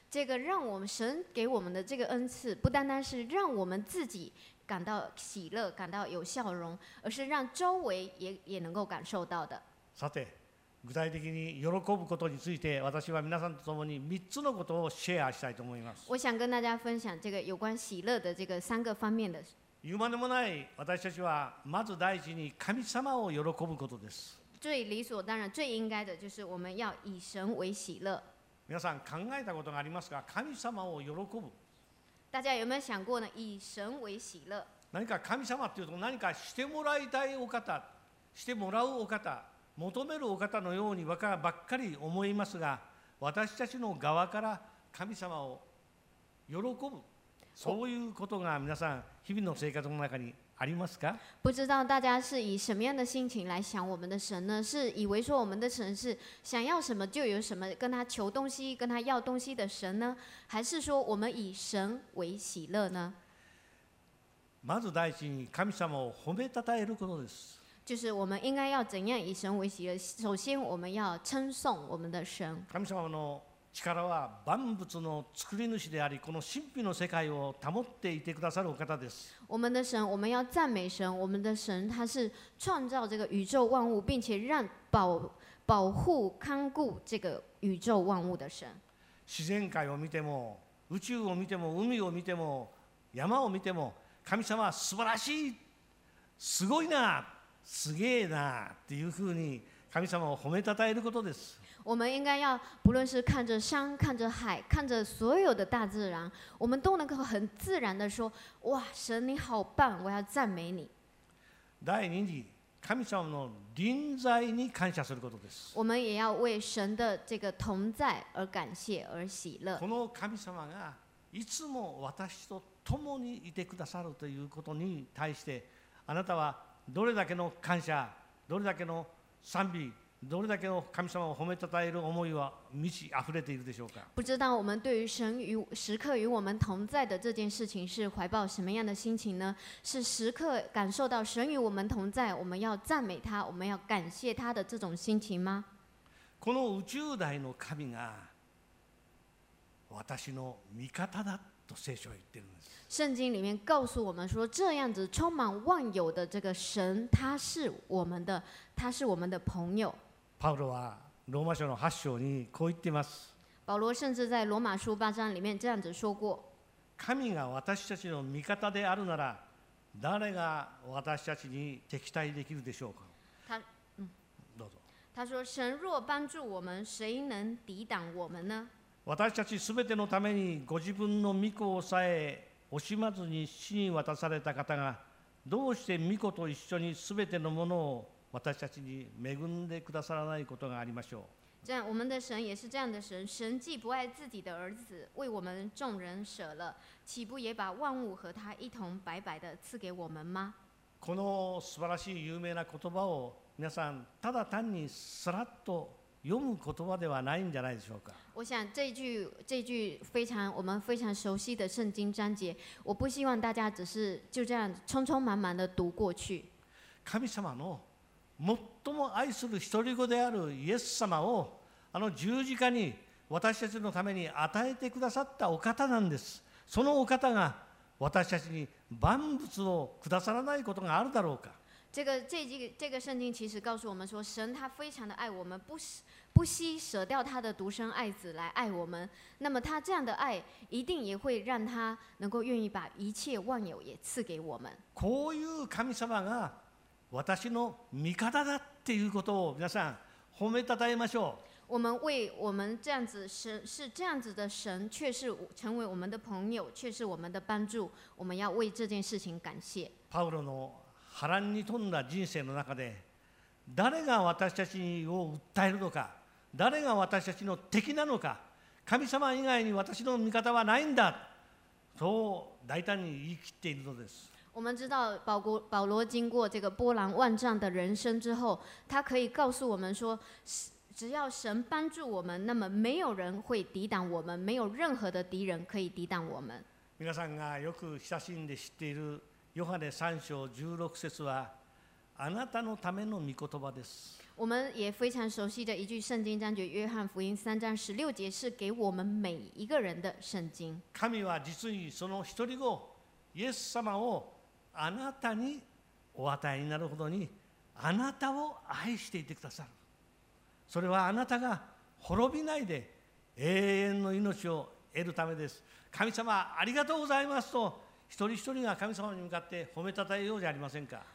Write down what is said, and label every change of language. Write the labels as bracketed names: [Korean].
[Chinese] 这个让我们神给我们的这个恩赐，不单单是让我们自己感到喜乐、感到有笑容，而是让周围也能够感受到的。 [Japanese] さて。具体的に喜ぶことについて私は皆さんと共に3つのことをシェアしたいと思います。 [Chinese] 我想跟大家分享这个有关喜乐的这个三个方面的。 [Japanese] 言うまでもない私たちはまず第一に神様を喜ぶことです。 [Chinese] 最理所当然最应该的就是我们要以神为喜乐。 [Japanese] 皆さん考えたことがありますか？神様を喜ぶ。 [Chinese] 大家有没有想过呢？以神为喜乐。 [Japanese] 何か神様っていうと何かしてもらいたいお方、してもらうお方、求めるお方のようにばっかり思いますが、私たちの側から神様を喜ぶ、そういうことが皆さん日々の生活の中にありますか？ [Chinese] 不知道大家是以什么样的心情来想我们的神呢？是以为说我们的神是想要什么就有什么，跟他求东西、跟他要东西的神呢？还是说我们以神为喜乐呢？ [Japanese] まず第一に神様を褒めたたえることです。 [Chinese] 就是我们应该要怎样以神为喜乐？首先我们要称颂我们的神。 [Japanese] 神様の力は万物の作り主であり、この神秘の世界を保っていてくださるお方です。 [Chinese] 我们的神，我们要赞美神。我们的神，他是创造这个宇宙万物，并且让保护、看顾这个宇宙万物的神。 [Japanese] 自然界を見ても、宇宙を見ても、海を見ても、山を見ても、神様は素晴らしい、すごいな、すげえなっていうふうに神様を褒めたたえることです。 [Chinese] 我们应该要不论是看着山、看着海、看着所有的大自然，我们都能够很自然的说：“哇，神你好棒，我要赞美你。” [Japanese] 第二に、神様の臨在に感謝することです。 [Chinese] 我们也要为神的这个同在而感谢而喜乐。 [Japanese] この神様がいつも私と共にいてくださるということに対して、あなたはどれだけの感謝、どれだけの賛美、どれだけの神様を褒めたたえる思いは満ち溢れているでしょうか。 [Chinese] 不知道我们对于神与时刻与我们同在的这件事情是怀抱什么样的心情呢？是时刻感受到神与我们同在，我们要赞美他，我们要感谢他的这种心情吗？ [Japanese] この宇宙大の神が私の味方だと聖書は言ってるんです。 [Chinese] 圣经里面告诉我们说，这样子充满万有的这个神，他是我们的，他是我们的朋友。 [Japanese] パウロはローマ書の8章にこう言っています。 [Chinese] 保罗甚至在罗马书八章里面这样子说过。 [Japanese] 神が私たちの味方であるなら、誰が私たちに敵対できるでしょうか。どうぞ。 [Chinese] 他说：“神若帮助我们，谁能抵挡我们呢？” [Japanese] 私たちすべてのためにご自分の御子をさえ惜しまずに死に渡された方が、どうして御子と一緒にすべてのものを私たちに恵んでくださらないことがありましょう。 [Chinese] 这样，我们的神也是这样的神。神既不爱自己的儿子，为我们众人舍了，岂不也把万物和他一同白白的赐给我们吗？ [Japanese] この素晴らしい有名な言葉を皆さんただ単にさらっと読む言葉ではないんじゃないでしょうか。 [Chinese] 我想这句非常我们非常熟悉的圣经章节，我不希望大家只是就这样匆匆忙忙的读过去。 [Japanese] 神様の最も愛する一人子であるイエス様を、あの十字架に私たちのために与えてくださったお方なんです。そのお方が私たちに万物をくださらないことがあるだろうか。 [Chinese] 这个圣经其实告诉我们说，神他非常的爱我们，不惜舍掉他的独生爱子来爱我们。那么他这样的爱，一定也会让他能够愿意把一切万有也赐给我们。 [Japanese] こういう神様が私の味方だっていうことを皆さん褒めたたえましょう。 [Chinese] 我们为我们这样子神是这样子的神，却是成为我们的朋友，却是我们的帮助。我们要为这件事情感谢。 [Japanese] パウロの波乱に富んだ人生の中で、誰が私たちを訴えるのか、誰が私たちの敵なのか、神様以外に私の味方はないんだと大胆に言い切っているのです。 [Chinese] 我们知道保罗经过这个波澜万丈的人生之后，他可以告诉我们说，只要神帮助我们，那么没有人会抵挡我们，没有任何的敌人可以抵挡我们。 [Japanese] 皆さんがよく親しんで知っているヨハネ三章十六節は、あなたのための御言葉です。 [Chinese] 我们也非常熟悉的一句圣经章节，约翰福音三章十六节，是给我们每一个人的圣经。 [Japanese] 神は実にその一人子イエス様をあなたにお与えになるほどに、あなたを愛していてくださる。それはあなたが滅びないで永遠の命を得るためです。神様ありがとうございますと。一人一人が神様に向かって褒めたたえようじゃありませんか。